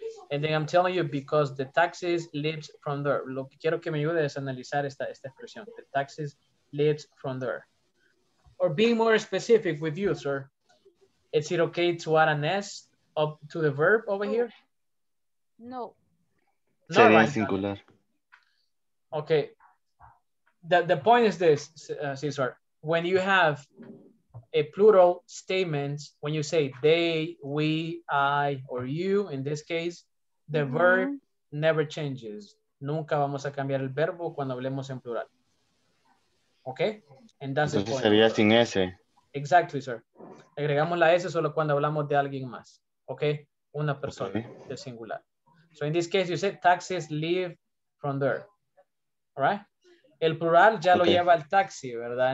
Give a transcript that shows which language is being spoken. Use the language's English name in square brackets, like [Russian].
[English] And then I'm telling you, because the taxis leaves from there. [Spanish] Lo que quiero que me ayude es analizar esta expresión. [English] The taxis leaves from there. Or being more specific with you, sir. Is it okay to add an S up to the verb over here? No. [Spanish] Sería right, singular. [English] No. Okay. The point is this, Cesar, when you have a plural statement, when you say they, we, I, or you, in this case, the verb never changes. [Spanish] Nunca vamos a cambiar el verbo cuando hablemos en plural. [English] Okay? And that's [Spanish] entonces [English] the point. [Spanish] Sería sin S. [English] Exactly, sir. [Spanish] Agregamos la S solo cuando hablamos de alguien más. Okay? Una persona, okay, de singular. [English] So in this case, you said taxis leave from there. All right? [Spanish] El plural ya, okay, lo lleva el taxi, ¿verdad?